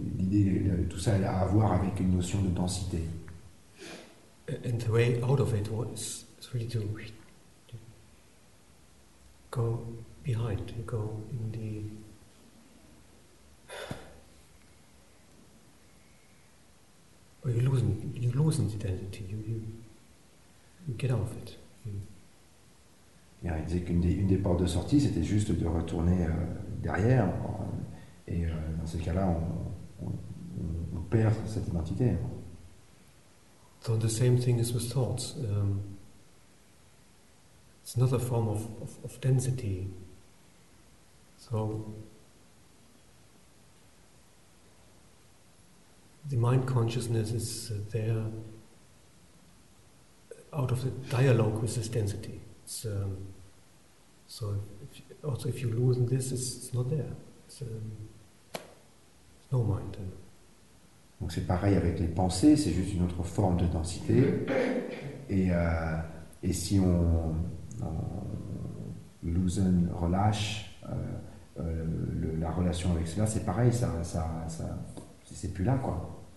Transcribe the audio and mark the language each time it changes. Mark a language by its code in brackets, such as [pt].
[fr] l'idée, tout ça a à voir avec une notion de densité. [en] And the way out of it was really to go behind, to go in the you lose identity, you get out of it. [fr] Yeah, il disait qu'une des portes de sortie, c'était juste de retourner derrière, et dans ces cas-là, on perd cette identité. [en] So the same thing is with thoughts. It's another form of density. So the mind consciousness is there out of the dialogue with this density. It's, so if, also if you lose this, it's not there. It's no mind. [fr] Donc c'est pareil avec les pensées, c'est juste une autre forme de densité. Et si on loosen, relâche, la relation avec cela, c'est pareil, ça c'est plus là, quoi.